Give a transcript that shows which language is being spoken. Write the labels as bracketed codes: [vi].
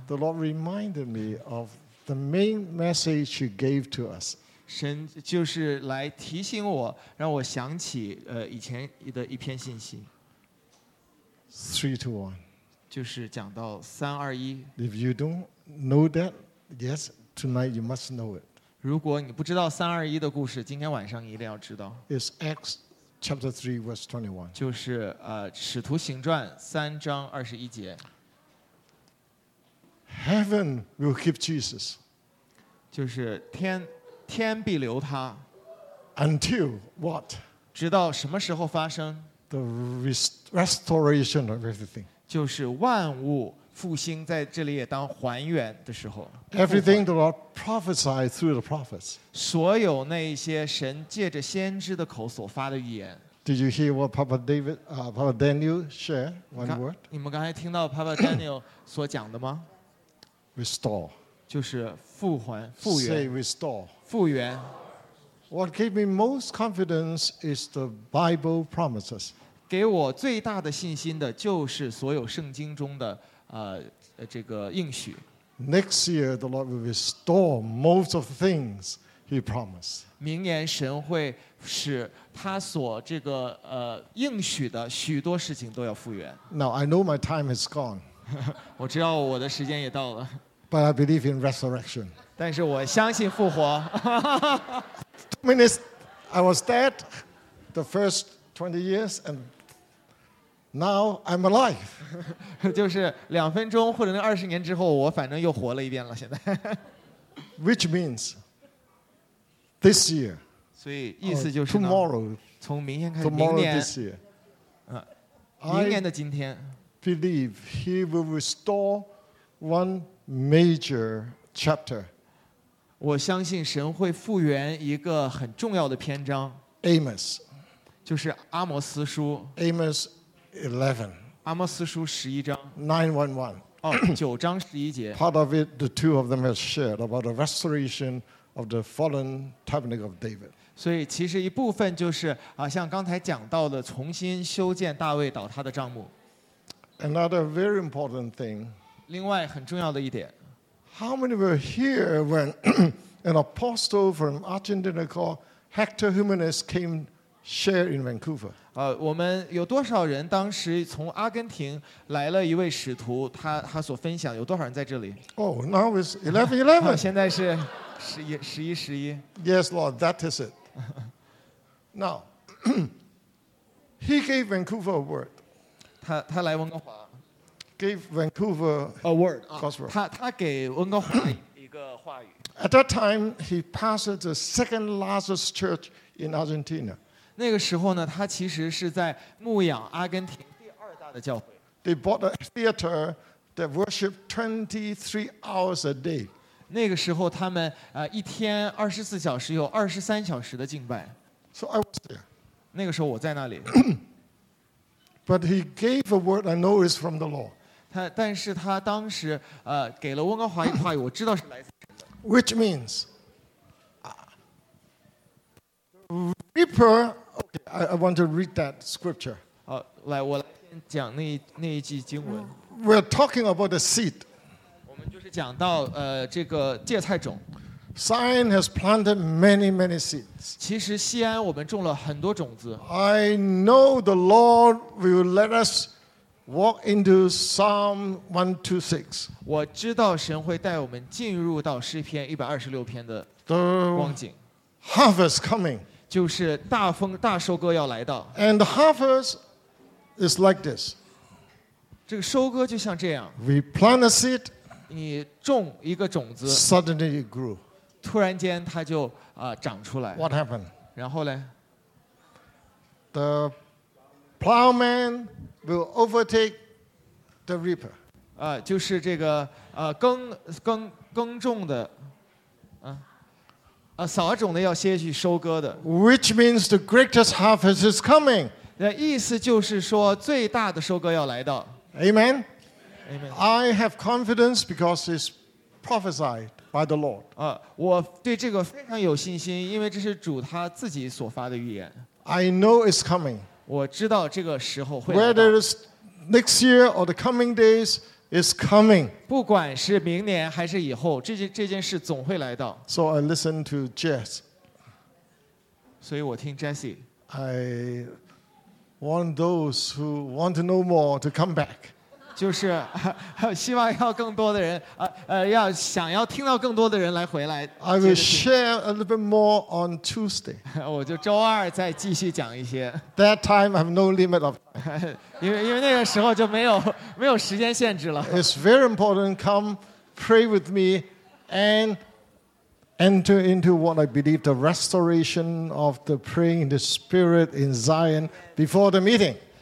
[en] The Lord reminded me of the main message He gave to us. [zh] 神就是来提醒我，让我想起以前的一篇信息。 [en] 3, 2, 1. [zh] 就是讲到三二一。 [en] If you don't know that, yes, tonight you must know it. [zh] 如果你不知道三二一的故事，今天晚上一定要知道。 [en] It's Acts. Chapter 3, verse 21. [zh] 就是使徒行传三章二十一节。 [en] Heaven will keep Jesus. [zh] 就是天必留他。 [en] Until what? [zh] 直到什么时候发生 [en] ？The restoration of everything. [zh] 就是万物复兴在这里也当还原的时候。 [en] Everything the Lord prophesied through the prophets. [zh] 所有那一些神借着先知的口所发的预言。 [en] Did you hear what Papa Daniel share one word? [zh] 你们刚才听到 Papa Daniel 所讲的吗 [en] ？Restore. [zh] 就是复还复原。 [en] Say restore. [zh] 复原。 [en] What gave me most confidence is the Bible promises. [zh] 给我最大的信心的就是所有圣经中的。这个应许。 [en] Next year, the Lord will restore most of the things He promised. [zh] 明年神会使他所这个应许的许多事情都要复原。 [en] Now I know my time is gone. [zh] 我知道我的时间也到了。 [en] But I believe in resurrection. [zh] 但是我相信复活。 [en] Minutes, I was dead the first 20 years and. Now I'm alive. [zh] 就是两分钟或者那二十年之后，我反正又活了一遍了。现在 [en] ，Which means this year. [zh] 所以意思就是 [en] tomorrow. [zh] 从明天开始，明年。 [en] Tomorrow this year. [zh] 明年的今天。 [en] I believe he will restore one major chapter. [zh] 我相信神会复原一个很重要的篇章。 [en] Amos. [zh] 就是阿摩斯书。 [en] Amos. 11. [zh] 阿摩斯书十一章。 [en] 9:11. [zh] 哦，九章十一节。 [en] Part of it, the two of them have shared about the restoration of the fallen tabernacle of David. [zh] 所以其实一部分就是像刚才讲到的重新修建大卫倒塌的帐幕。 [en] Another very important thing. [zh] 另外很重要的一点。 [en] How many were here when an apostle from Argentina called Hector Jimenez came share in Vancouver? [zh] 我们有多少人当时从阿根廷来了一位使徒 他所分享有多少人在这里 [en] Oh, now it's 11:11. [zh] 现在是11:11. [en] Yes, Lord, that is it. Now, he gave Vancouver a word. [zh] 他来温哥华。 [en] gave Vancouver a word, gospel. [zh] 他给温哥华一个话语。 [en] At that time, he pastored the second largest church in Argentina. [zh] 那个时候呢, 他其实是在牧养阿根廷第二大的教会。 [en] They bought a theater that worshiped 23 hours a day. [zh] 那个时候他们, 一天24小时有23小时的敬拜。 [en] So I was there. [zh] 那个时候我在那里。 [en] But he gave a word I know is from the law. [zh] 但是他当时, 给了温哥华一话语, 我知道是来自神的。 [en] Which means, Reaper, okay, I want to read that scripture. [zh] 来我来讲那一句经文。 [en] We're talking about the seed. [zh] 我们就是讲到, 这个芥菜种。 [en] Zion has planted many, many seeds. [zh] 其实西安我们种了很多种子。 [en] I know the Lord will let us walk into Psalm 126. [zh] 我知道神会带我们进入到诗篇126篇的 光景。 [en] The harvest coming. [zh] 就是大丰收割要来到。 [en] And the harvest is like this. [zh] 这个收割就像这样。 [en] We plant a seed. [zh] 你种一个种子。 [en] Suddenly it grew. [zh] 突然间它就, 长出来。 [en] What happened? [zh] 然后呢? [en] The plowman will overtake the reaper. [zh] 就是这个, 耕种的, 扫种的要先去收割的。 [en] Which means the greatest harvest is coming. [zh] 意思就是说最大的收割要来到。 [en] Amen? Amen. I have confidence because it's prophesied. By the Lord. [zh] 我对这个非常有信心, 因为这是主他自己所发的预言。 [en] I know it's coming. [zh] 我知道这个时候会来到。 [en] Whether it's next year or the coming days, it's coming. [zh] 不管是明年还是以后, 这件事总会来到。 [en] So I listen to Jess. [zh] 所以我听Jesse。 [en] I want those who want to know more to come back. [zh] 就是希望要更多的人 想要听到更多的人来回来。 [en] I will share a little bit more on Tuesday. [zh] 我就周二再继续讲一些。 [en] That time I have no limit of time. [zh] 因为那个时候就没有时间限制了。 [en] It's very important, come pray with me and enter into what I believe the restoration of the praying in the spirit in Zion before the meeting.